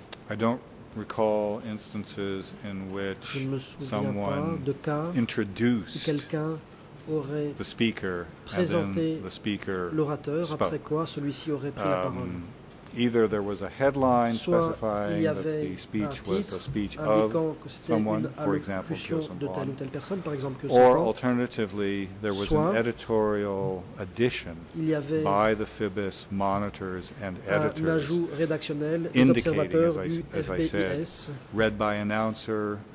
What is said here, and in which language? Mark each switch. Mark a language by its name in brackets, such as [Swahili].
[English] I don't recall instances in which someone introduced [French] quelqu'un aurait [English] the speaker [French] présenté [English] and then the speaker [French] l'orateur [English] spoke. [French] Après quoi celui-ci aurait pris la parole. [English] Either there was a headline specifying that the speech was a speech of someone, for example, [French] de telle ou telle personne, par exemple, [English] or alternatively, there was an editorial addition by the FIBIS monitors and editors indicating, as I said, read by announcer,